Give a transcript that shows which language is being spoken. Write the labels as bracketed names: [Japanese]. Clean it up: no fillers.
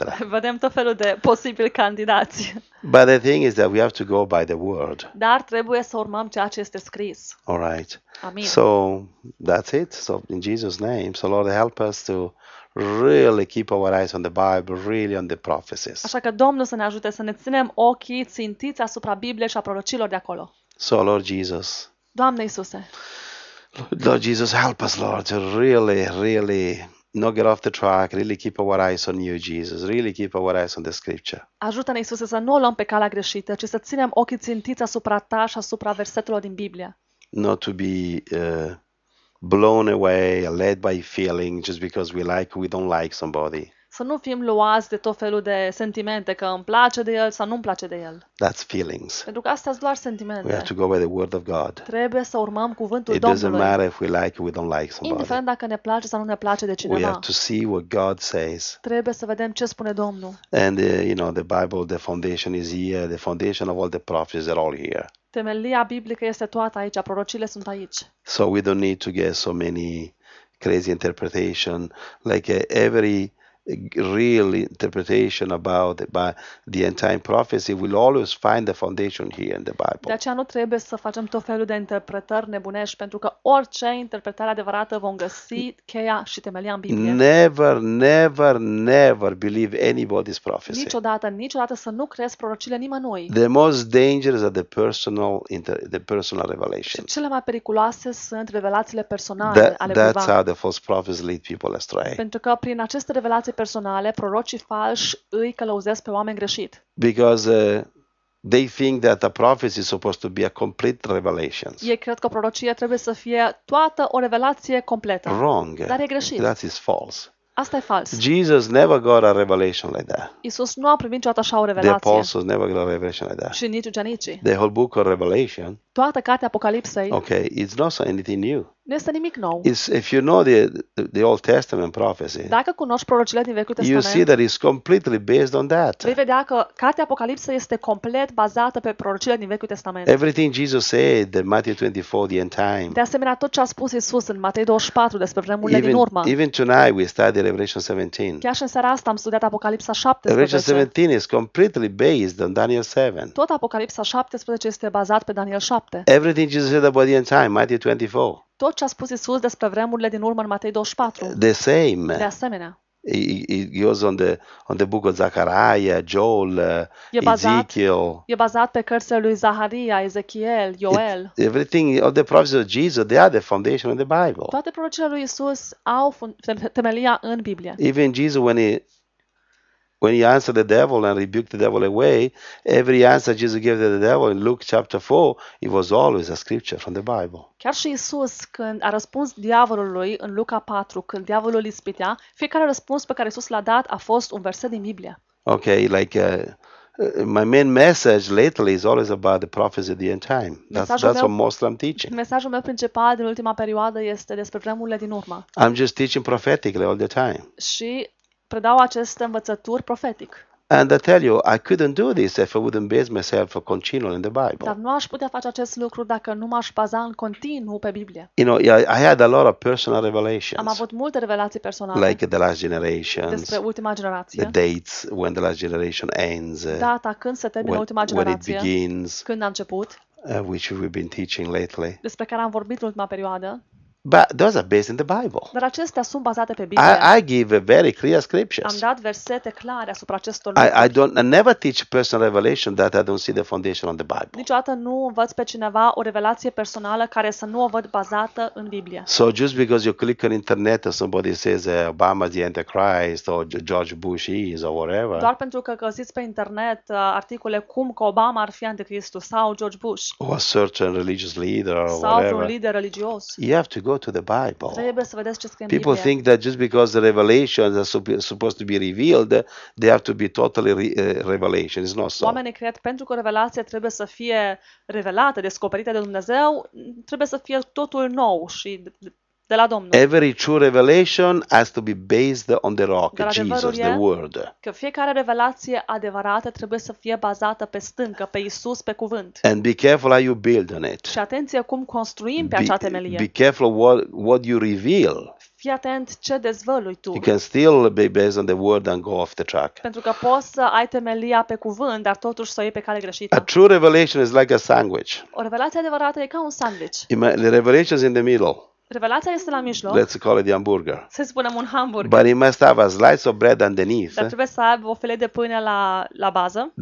[Romanian] Vedem tot felul de posibili candidați. [English] But the thing is that we have to go by the word. [Romanian] Dar trebuie să urmăm ceea ce este scris. [English] All right. [Romanian] Amin. [English] So that's it. So in Jesus' name, so Lord, help us to really keep our eyes on the Bible, really on the prophecies. [Romanian] Așa că Domnul să ne ajute să ne ținem ochii țintiți asupra Bibliei și a prorocilor de acolo. [English] So Lord Jesus. [Romanian] Doamne Iisuse. [English] Lord Jesus, help us, Lord, to really, really not get off the track, really keep our eyes on you, Jesus, really keep our eyes on the scripture. [Romanian] Ajută-ne, Iisuse, să nu o luăm pe calea greșită, ci să ținem ochii țintiți asupra ta și asupra versetelor din Biblie. [English] Not to be blown away, led by feeling, just because we like or we don't like somebody. [Romanian] Să nu fim luați de tot felul de sentimente, că îmi place de el sau nu îmi place de el. [English] That's feelings. [Romanian] Pentru că astea sunt doar sentimente. [English] We have to go by the word of God. [Romanian] Trebuie să urmăm cuvântul [English] It [Romanian] Domnului. [English] It doesn't matter if we like or we don't like somebody. [Romanian] Indiferent dacă ne place sau nu ne place de cineva. [English] We have to see what God says. [Romanian] Trebuie să vedem ce spune Domnul. [English] And you know, the Bible, the foundation is here, the foundation of all the prophets are all here. [Romanian] Temelia biblică este toată aici, prorocile sunt aici. [English] So we don't need to get so many crazy interpretation, like every real interpretation about the end time prophecy will always find the foundation here in the Bible. [Romanian] De aceea nu trebuie să facem tot felul de interpretări nebunești, pentru că orice interpretare adevărată vom găsi cheia și temelia în Biblie. [English] Never, never, never believe anybody's prophecy. [Romanian] Niciodată, niciodată să nu crezi prorocile nimănui. [English] The most dangerous are the personal revelation. [Romanian] Și cele mai periculoase sunt revelațiile personale ale cuiva. [English] That's how the false prophets lead people astray. [Romanian] Pentru că prin aceste revelații personale, prorocii falși îi călăuzesc pe oameni greșit. [English] Because they think that a prophecy is supposed to be a complete revelation. [Romanian] Ei cred că prorocia trebuie să fie toată o revelație completă. [English] Wrong. [Romanian] Dar e greșit. [English] That is false. [Romanian] Asta e fals. [English] Jesus never got a revelation like that. [Romanian] Iisus nu a primit niciodată așa o revelație. [English] The apostles never got a revelation like that. [Romanian] Și nici ucenicii. [English] The whole book of Revelation. [Romanian] Toată cartea Apocalipsei. [English] Okay, it's not anything new. [Romanian] Nu este nimic nou. [English] It's, if you know the Old Testament prophecy. [Romanian] Dacă cunoști prorocile din Vechiul Testament. [English] You see that it's completely based on that. [Romanian] Vei vedea că cartea Apocalipsei este complet bazată pe prorocile din Vechiul Testament. [English] Everything Jesus said in Matthew 24, the end time. [Romanian] De asemenea, tot ce a spus Iisus în Matei 24 despre vremurile din urmă. [English] Even tonight we study Revelation 17. [Romanian] Chiar și în seara asta am studiat Apocalipsa 17. [English] Revelation 17 is completely based on Daniel 7. [Romanian] Tot Apocalipsa 17 este bazat pe Daniel 7. [English] Everything Jesus said about the end time, Matthew 24. [Romanian] Tot ce a spus Iisus despre vremurile din urmă în Matei 24. [English] The same. [Romanian] De asemenea. [English] It goes on the book of Zechariah, Joel, Ezekiel. [Romanian] E bazat pe cărțile lui Zaharia, Ezechiel, Ioel. [English] Everything of the prophecies of Jesus, they are the foundation of the Bible. [Romanian] Toate prorocile lui Iisus au temelia în Biblie. [English] Even Jesus, when he answered the devil and rebuked the devil away, every answer Jesus gave to the devil in Luke chapter 4, it was always a scripture from the Bible. [Romanian] Chiar și Iisus, când a răspuns diavolului în Luca 4, când diavolul îl ispitea, fiecare răspuns pe care Iisus l-a dat a fost un verset din Biblie. [English] Okay, like my main message lately is always about the prophecy of the end time. That's what mostly I'm teaching. [Romanian] Mesajul meu principal din ultima perioadă este despre vremurile din urmă. [English] I'm just teaching prophetically all the time. [Romanian] Și predau acest învățături profetic. [English] And I tell you, I couldn't do this if I wouldn't base myself for continual in the Bible. [Romanian] Dar nu aș putea face acest lucru dacă nu m-aș baza în continuu pe Biblie. [English] You know, I had a lot of personal revelations. [Romanian] Am avut multe revelații personale. [English] Like the last generation. [Romanian] Despre ultima generație. [English] The dates when the last generation ends. [Romanian] Data când se termină ultima generație. [English] When it begins. [Romanian] Când a început. [English] Which we've been teaching lately. [Romanian] Despre care am vorbit în ultima perioadă. [English] But those are based in the Bible. [Romanian] Dar acestea sunt bazate pe Biblie. [English] I give very clear scriptures. [Romanian] Am dat versete clare asupra acestor lucruri. [English] I never teach personal revelation that I don't see the foundation on the Bible. [Romanian] Niciodată nu învăț pe cineva o revelație personală care să nu o văd bazată în Biblie. [English] So just because you click on internet and somebody says Obama is the Antichrist or George Bush is or whatever. [Romanian] Doar pentru că găsiți pe internet articole cum că Obama ar fi anticristul sau George Bush. [English] Or a certain religious leader or [Romanian] sau [English] whatever. [Romanian] Sau un lider religios. [English] To go to the Bible. [Romanian] Trebuie să vedeți ce scrie în Biblie. [English] People think that just because the revelations are supposed to be revealed, they have to be totally revelation. It's not so. [Romanian] Oamenii cred pentru că revelația trebuie să fie revelată, descoperită de Dumnezeu, trebuie să fie totul nou și de la Domnul. [English] Every true revelation has to be based on the rock, Jesus, the word. [Romanian] Că fiecare revelație adevărată trebuie să fie bazată pe stâncă, pe Isus, pe cuvânt. [English] And be careful how you build on it. [Romanian] Și atenție cum construim pe acea temelie. [English] Be careful what you reveal. [Romanian] Fii atent ce dezvălui tu. [English] You can still be based on the word and go off the track. [Romanian] Pentru că poți să ai temelia pe cuvânt, dar totuși să o iei pe cale greșită. [English] A true revelation is like a sandwich. [Romanian] O revelație adevărată e ca un sandwich. [English] The revelation is in the middle. [Romanian] Revelația este la mijloc. [English] Let's call it the hamburger. [Romanian] Să spunem un hamburger. [English] But it must have a slice of bread underneath. [Romanian] Dar trebuie să aibă o felie de pâine la bază.